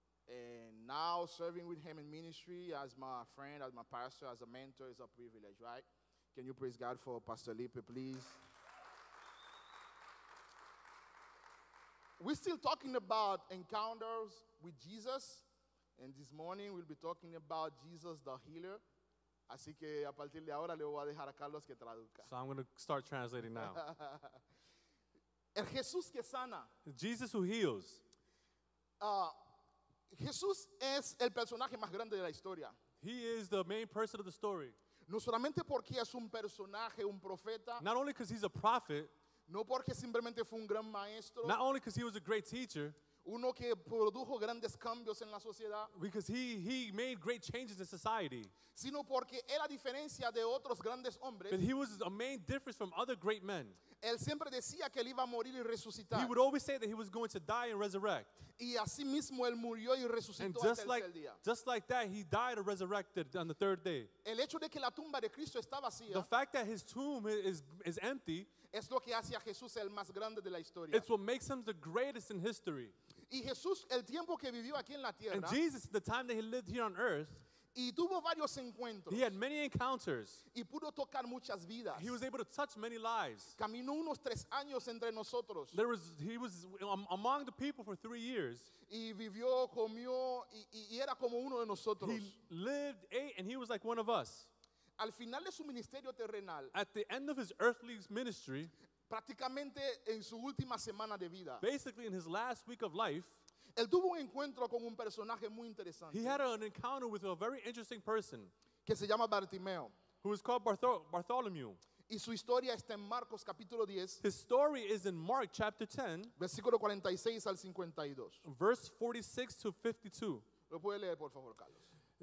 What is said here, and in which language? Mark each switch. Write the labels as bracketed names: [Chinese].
[English] And now serving with him in ministry as my friend, as my pastor, as a mentor is a privilege, right? Can you praise God for Pastor Lipe, please? We're still talking about encounters with Jesus, and this morning we'll be talking about Jesus the healer. [Spanish] Así que a partir de ahora le voy a dejar a Carlos que traduzca. [English] So I'm going to start translating now. [Spanish] El Jesús que sana. [English] Jesus who heals. [Spanish] Jesús es el personaje más grande de la historia. [English] He is the main person of the story. [Spanish] No solamente porque es un personaje, un profeta. [English] Not only because he's a prophet. [Spanish] No porque simplemente fue un gran maestro. [English] Not only because he was a great teacher. [Spanish] Uno que produjo grandes cambios en la sociedad. [English] Because he made great changes in society. [Spanish] Sino porque era diferencia de otros grandes hombres. [English] But he was a main difference from other great men. [Spanish] Él siempre decía que él iba a morir y resucitar. [English] He would always say that he was going to die and resurrect. [Spanish] Y así mismo él murió y resucitó al tercer día. [English] Just like that, he died and resurrected on the third day. [Spanish] El hecho de que la tumba de Cristo está vacía. [English] The fact that his tomb is empty. [Spanish] Es lo que hace a Jesús el más grande de la historia. [English] It's what makes him the greatest in history. [Spanish] Y Jesús, el tiempo que vivió aquí en la tierra, [English] and Jesus, the time that he lived here on earth, [Spanish] y tuvo varios encuentros, [English] he had many encounters. [Spanish] Y pudo tocar muchas vidas. [English] He was able to touch many lives. [Spanish] Caminó unos tres años entre nosotros. [English] He was among the people for 3 years. [Spanish] Y vivió, comió, y era como uno de nosotros. [English] He lived, ate, and he was like one of us. [Spanish] Al final de su ministerio terrenal, [English] at the end of his earthly ministry, [Spanish] prácticamente en su última semana de vida, [English] basically in his last week of life, [Spanish] él tuvo un encuentro con un personaje muy interesante. [English] He had an encounter with a very interesting person [Spanish] que se llama Bartimeo, [English] who is called Bartholomew. [Spanish] Y su historia está en Marcos capítulo 10. [English] His story is in Mark chapter 10, [Spanish] versículo 46 al 52. [English] Verse 46 to 52. [Spanish] ¿Lo puede leer, por favor, Carlos?